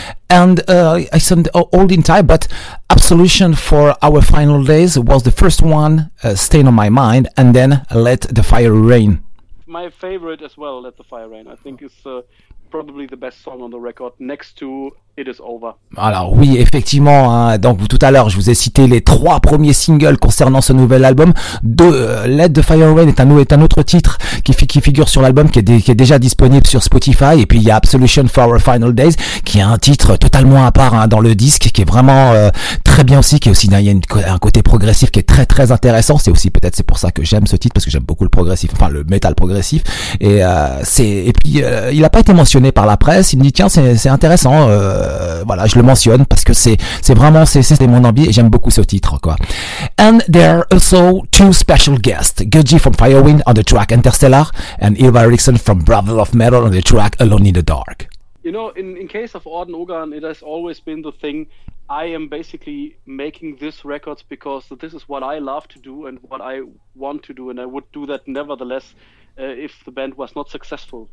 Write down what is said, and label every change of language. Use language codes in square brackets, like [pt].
[en] And I sent all the entire, but Absolution for Our Final Days was the first one staying on my mind, and then Let the Fire Rain. My favorite as well, Let the Fire Rain, I think is probably the best song on the record, next to It Is Over. [fr] Alors oui, effectivement, hein, donc tout à l'heure, je vous ai cité les trois premiers singles concernant ce nouvel album. Let the Fire Rain est un autre titre qui figure sur l'album, qui est déjà disponible sur Spotify. Et puis il y a Absolution for Our Final Days, qui est un titre totalement à part, hein, dans le disque, qui est vraiment très bien aussi, qui est aussi, il y a un côté progressif qui est très très intéressant. C'est aussi peut-être, c'est pour ça que j'aime ce titre, parce que j'aime beaucoup le progressif, enfin le metal progressif. Et puis il a pas été mentionné par la presse. Il me dit tiens, c'est intéressant. Voilà, je le mentionne parce que c'est vraiment mon envie, et j'aime beaucoup ce titre, quoi. [en] And there are also two special guests, Gudji from Firewind on the track Interstellar and Ylva Eriksson from Brother of Metal on the track Alone in the Dark. You know, in case of Odd and Ogan, it has always been the thing, I am basically making this records because this is what I love to do and what I want to do, and I would do that nevertheless if the band was not successful.